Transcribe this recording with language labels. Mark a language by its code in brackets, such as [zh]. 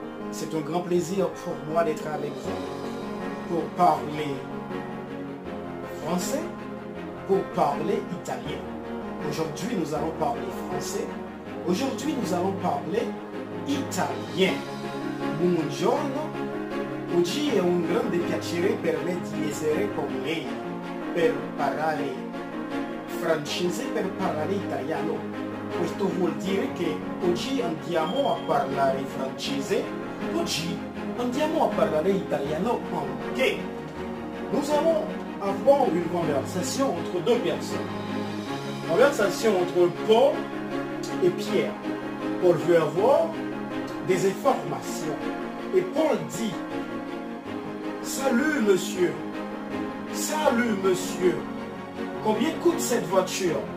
[fr] C'est un grand plaisir pour moi d'être avec vous pour parler français, pour parler italien. Aujourd'hui, nous allons parler français. Aujourd'hui, nous allons parler italien. [it] Buongiorno. Oggi è un grande piacere per me di essere con lei per parlare francese, per parlare italiano. Questo vuol dire che oggi andiamo a parlare francese, oggi andiamo a parlare italiano anche. [fr] Nous allons avoir une conversation entre deux personnes. Conversation entre Paul et Pierre. Paul veut avoir des informations. Et Paul dit, salut monsieur, combien coûte cette voiture?